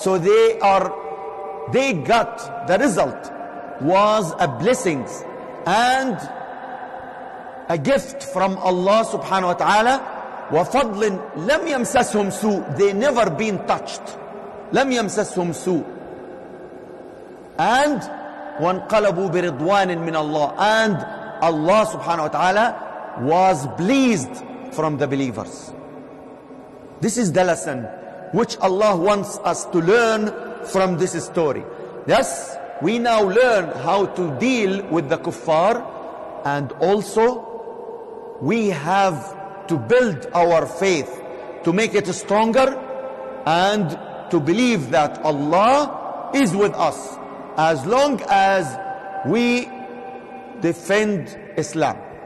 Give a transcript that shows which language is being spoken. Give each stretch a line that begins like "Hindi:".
English: So they got, the result was a blessing and a gift from Allah subhanahu wa ta'ala.
Arabic: وَفَضْلٍ لَمْ يَمْسَسْهُمْ سُوءٍ.
English: They never been touched.
Arabic: لَمْ يَمْسَسْهُمْ سُوءٍ. And وَانْقَلَبُوا بِرِضْوَانٍ مِّنَ اللَّهِ.
English: And Allah subhanahu wa ta'ala was pleased from the believers. This is the lesson which Allah wants us to learn from this story. Thus, we now learn how to deal with the kuffar, and also we have to build our faith to make it stronger and to believe that Allah is with us as long as we defend Islam.